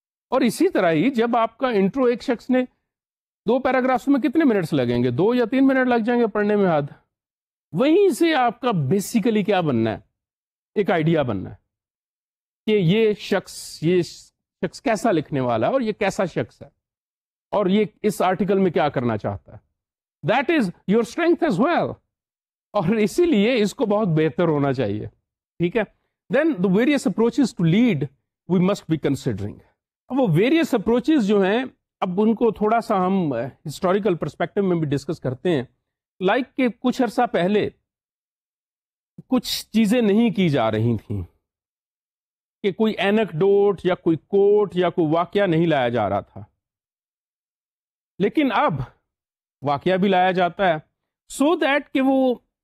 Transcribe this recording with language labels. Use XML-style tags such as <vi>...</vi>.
<ur>اور اسی طرح ہی جب آپ کا انٹرو ایک شخص نے دو پیراگرافس میں کتنے منٹس لگیں گے, دو یا تین منٹ لگ جائیں گے پڑھنے میں حد, وہیں سے آپ کا بیسیکلی کیا بننا ہے, ایک آئیڈیا بننا ہے کہ یہ شخص کیسا لکھنے والا ہے اور یہ کیسا شخص ہے اور یہ اس آرٹیکل میں کیا کرنا چاہتا ہے.</ur> <en>that is your strength as well,</en> <ur>اور اسی لیے اس کو بہت بہتر ہونا چاہیے. ٹھیک ہے,</ur> <en>Then the various approaches to lead we must be considering.</en> <ur>اب وہ ویریس اپروچز جو ہیں, اب ان کو تھوڑا سا ہم ہسٹوریکل پرسپیکٹو میں بھی ڈسکس کرتے ہیں. لائک کہ کچھ عرصہ پہلے کچھ چیزیں نہیں کی جا رہی تھیں کہ کوئی اینکڈوٹ یا کوئی کوٹ یا کوئی واقعہ نہیں لایا جا رہا تھا, لیکن اب واقعہ بھی لایا جاتا ہے سو دیٹ کہ وہ</ur>